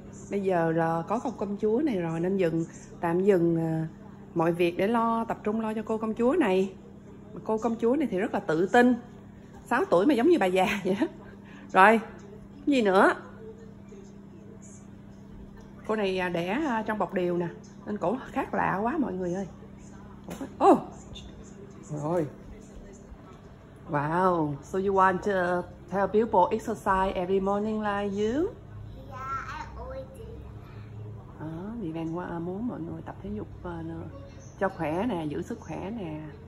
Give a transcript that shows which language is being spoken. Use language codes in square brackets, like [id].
[vi] Bây giờ có con công chúa này rồi nên dừng, tạm dừng mọi việc để lo, tập trung lo cho cô công chúa này. Cô công chúa này thì rất là tự tin. 6 tuổi mà giống như bà già vậy đó. Rồi, gì nữa? Cô này đẻ trong bọc điều nè, nên cổ khác lạ quá mọi người ơi. Rồi. [en] Wow, so you want to tell people exercise every morning like you? Yeah, I always do. [vi] Vì bạn muốn mọi người tập thể dục cho khỏe nè, giữ sức khỏe nè.